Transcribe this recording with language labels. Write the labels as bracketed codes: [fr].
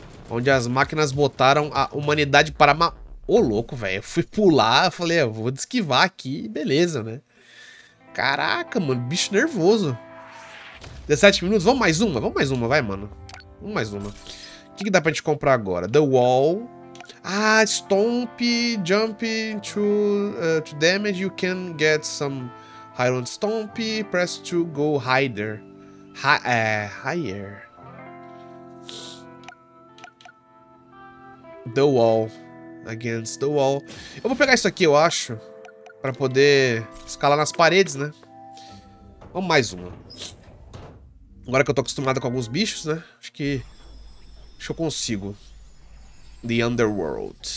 [pt] Onde as máquinas botaram a humanidade para... Ô, louco, velho. Fui pular, falei, vou desquivar aqui. Beleza, né? Caraca, mano. Bicho nervoso. 17 minutos. Vamos mais uma? Vamos mais uma, vai, mano. Vamos mais uma. O que, que dá pra gente comprar agora? [en] The Wall... Ah, stomp, jump to damage, you can get some Hyrule stomp, press to go higher. Higher. The wall, against the wall. [pt] Eu vou pegar isso aqui, eu acho, pra poder escalar nas paredes, né? Vamos mais uma. Agora que eu tô acostumado com alguns bichos, né? Acho que eu consigo. The Underworld.